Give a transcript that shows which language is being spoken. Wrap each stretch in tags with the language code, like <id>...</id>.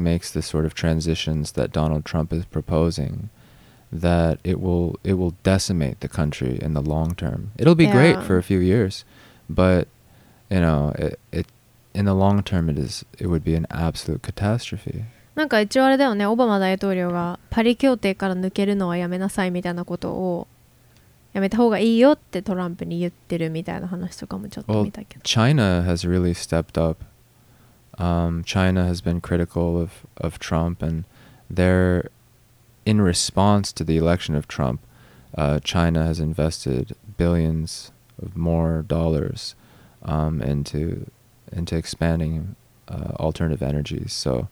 <en>makes the sort of transitions that Donald Trump is proposing, that it will decimate the country in the long term. It'll be great for a few years, but you know, it in the long term, it would be an absolute catastrophe.</en> <ja>なんか一応あれだよね、オバマ大統領がパリ協定から抜けるのはやめなさいみたいなことをやめた方がいいよってトランプに言ってるみたいな話とかもちょっと見たけど。</ja> <en>Well, China has really stepped up. China has been critical of Trump, and they're in response to the election of Trump. China has invested billions of more dollars into expanding alternative energies. So,</en>